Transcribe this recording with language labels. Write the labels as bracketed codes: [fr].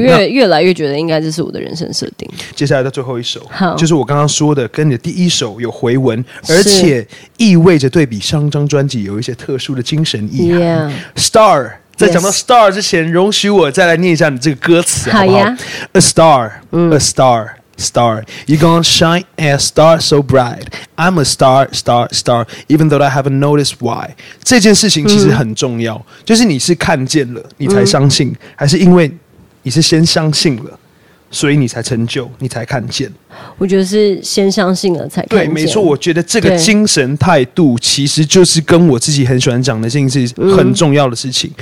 [zh] 对，我 越来越觉得应该这是我的人生设定。接下来到最后一首，好，就是我刚刚说的跟你的第一首有回文，而且意味着对比上张专辑有一些特殊的精神意涵、 yeah. Star， 在讲到 Star 之前、 yes. 容许我再来念一下你这个歌词好不好？ [en] A star、a starStar, you're gonna shine as star so bright. I'm a star, star, star. Even though I haven't noticed why. [zh] 这件事情其实很重要，就是你是看见了，你才相信，还是因为你是先相信了，所以你才成就，你才看见？我觉得是先相信了才看见。对，没错。我觉得这个精神态度其实就是跟我自己很喜欢讲的信息很重要的事情。